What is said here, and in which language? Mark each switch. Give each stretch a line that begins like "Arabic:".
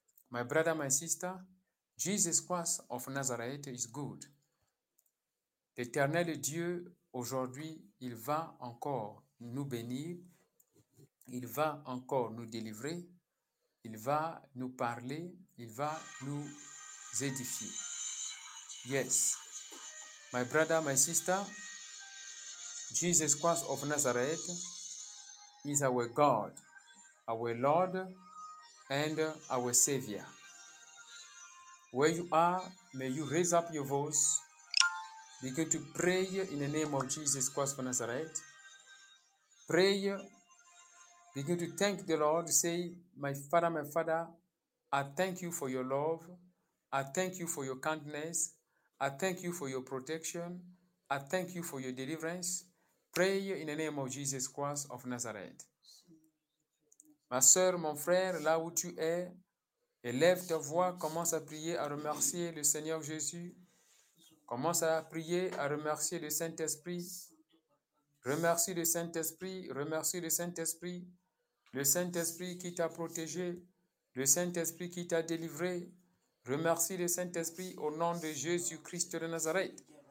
English: My brother, my sister, Jesus Christ of Nazareth is good.
French: L'Éternel Dieu, aujourd'hui, il va encore nous bénir, il va encore nous délivrer. Il va nous parler, il va nous édifier.
English: Yes. My brother, my sister, Jesus Christ of Nazareth is our God, our Lord, and our Savior. Where you are, may you raise up your voice, begin to pray in the name of Jesus Christ of Nazareth. Pray. Begin to thank the Lord, say, my Father, I thank you for your love, I thank you for your kindness, I thank you for your protection, I thank you for your deliverance. Pray in the name of Jesus Christ of Nazareth.
French: Ma soeur, mon frère, là où tu es, élève ta voix, commence à prier, à remercier le Seigneur Jésus, commence à prier, à remercier le Saint-Esprit, remercie le Saint-Esprit, remercie le Saint-Esprit. Le Saint-Esprit qui t'a protégé, le Saint-Esprit qui t'a délivré, remercie le Saint-Esprit au nom de Jésus-Christ de Nazareth.